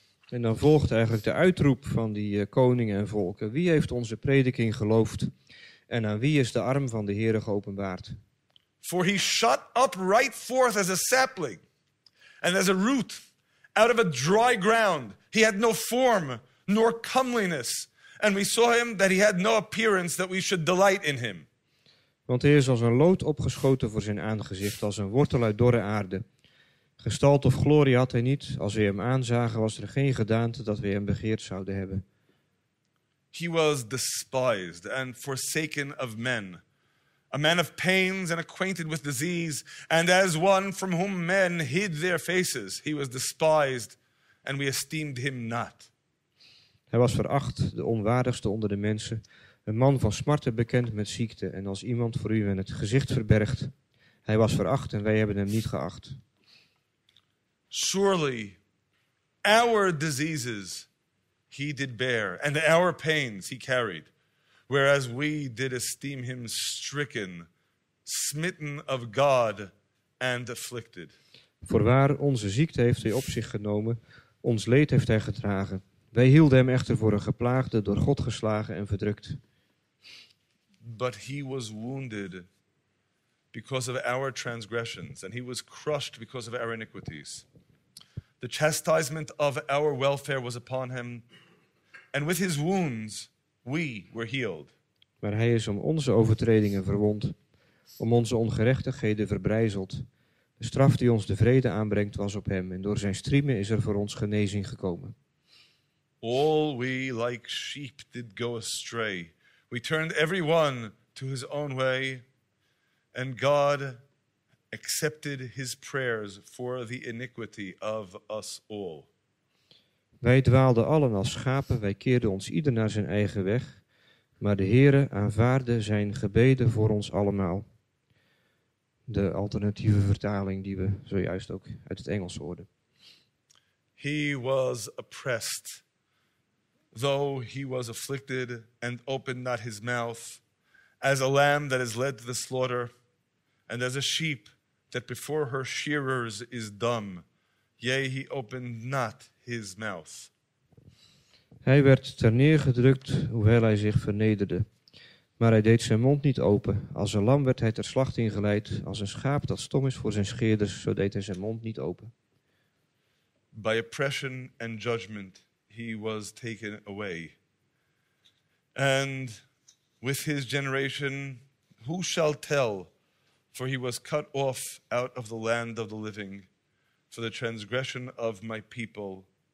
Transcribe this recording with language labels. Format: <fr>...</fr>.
<nl>En dan volgt eigenlijk de uitroep van die koningen en volken. Wie heeft onze prediking geloofd? En aan wie is de arm van de Heere geopenbaard?</nl> <en>For he shot up right forth as a sapling, and as a root, out of a dry ground. He had no form, nor comeliness. And we saw him that he had no appearance that we should delight in him.</en> <nl>Want hij is als een loot opgeschoten voor zijn aangezicht, als een wortel uit dorre aarde. Gestalt of glorie had hij niet. Als we hem aanzagen, was er geen gedaante dat we hem begeerd zouden hebben.</nl> <en>He was despised and forsaken of men. A man of pains and acquainted with disease. And as one from whom men hid their faces, he was despised and we esteemed him not.</en> <nl>Hij was veracht, de onwaardigste onder de mensen. Een man van smarten, bekend met ziekte. En als iemand voor u in het gezicht verbergt. Hij was veracht en wij hebben hem niet geacht.</nl> <en>Surely our diseases he did bear, and our pains he carried, whereas we did esteem him stricken, smitten of God, and afflicted.</en> <nl>Voorwaar, onze ziekte heeft hij op zich genomen, ons leed heeft hij gedragen. Wij hielden hem echter voor een geplaagde, door God geslagen en verdrukt.</nl> <en>But he was wounded because of our transgressions, and he was crushed because of our iniquities. The chastisement of our welfare was upon him, and with his wounds we were healed.</en> <nl>Maar hij is om onze overtredingen verwond, om onze ongerechtigheden verbrijzeld. De straf die ons de vrede aanbrengt was op hem, en door zijn striemen is er voor ons genezing gekomen.</nl> <en>All we like sheep did go astray. We turned every one to his own way, and God accepted his prayers for the iniquity of us all.</en> <nl>Wij dwaalden allen als schapen, wij keerden ons ieder naar zijn eigen weg, maar de Heere aanvaarde zijn gebeden voor ons allemaal. De alternatieve vertaling die we zojuist ook uit het Engels hoorden.</nl> <en>He was oppressed, though he was afflicted, and opened not his mouth, as a lamb that is led to the slaughter, and as a sheep that before her shearers is dumb, yea, he opened not his mouth.</en> <nl>Hij werd terneergedrukt, hoewel hij zich vernederde. Maar hij deed zijn mond niet open. Als een lam werd hij ter slachting geleid. Als een schaap dat stom is voor zijn scheerders, zo deed hij zijn mond niet open.</nl> <en>By oppression and judgment he was taken away. And with his generation, who shall tell? For he was cut off out of the land of the living, for the transgression of my people,</en>